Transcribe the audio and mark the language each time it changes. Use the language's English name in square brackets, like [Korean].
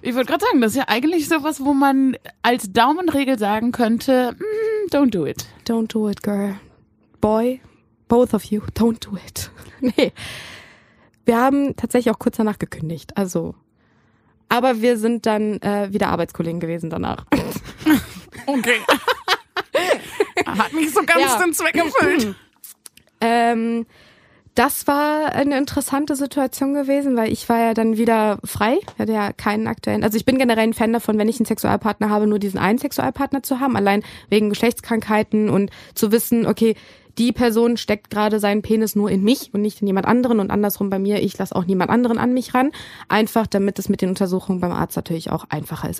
[German] Ich wollte gerade sagen, das ist ja eigentlich sowas, wo man als Daumenregel sagen könnte, [English] don't do it. Don't do it, girl. Boy, both of you, don't do it. [German] Nee. Wir haben tatsächlich auch kurz danach gekündigt. Also, aber wir sind dann wieder Arbeitskollegen gewesen danach. Okay. Hat mich so ganz den Zweck erfüllt. Das war eine interessante Situation gewesen, weil ich war ja dann wieder frei, hatte ja keinen aktuellen, also ich bin generell ein Fan davon, wenn ich einen Sexualpartner habe, nur diesen einen Sexualpartner zu haben, allein wegen Geschlechtskrankheiten und zu wissen, okay, die Person steckt gerade seinen Penis nur in mich und nicht in jemand anderen und andersrum bei mir, ich lasse auch niemand anderen an mich ran, einfach damit es mit den Untersuchungen beim Arzt natürlich auch einfacher ist.